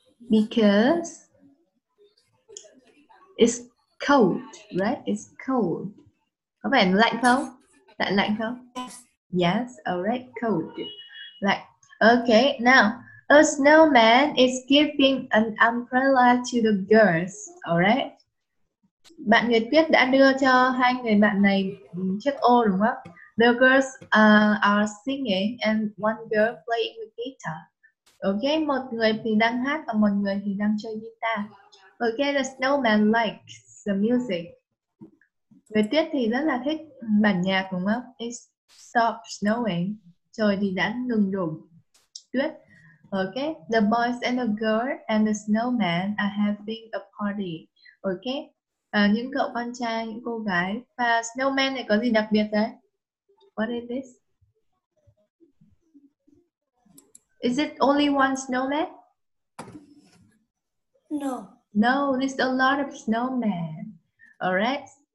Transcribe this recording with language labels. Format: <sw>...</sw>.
<en>Because it's cold, right? It's cold.</en> <vi>Có vẻ lạnh không? Tại lạnh không?</vi> <en>Yes. Yes, alright, cold. Lạnh. Okay, now, A snowman is giving an umbrella to the girls. Alright.</en> <vi>Bạn Nhật Tuyết đã đưa cho hai người bạn này chiếc ô đúng không?</vi> <en>The girls are singing and one girl playing the guitar.</en> <vi>Ok, một người thì đang hát và một người thì đang chơi guitar.</vi> <en>Ok, the snowman likes the music.</en> <vi>Người Tuyết thì rất là thích bản nhạc đúng không?</vi> <en>It stopped snowing.</en> <vi>Trời thì đã ngừng đổ tuyết.</vi> <en>Ok, the boys and the girl and the snowman are having a party.</en> <vi>Ok, những cậu con trai, những cô gái. Và snowman này có gì đặc biệt đấy?</vi> <en>What is this? Is it only one snowman? No. No, there's a lot of snowmen. Alright.</en>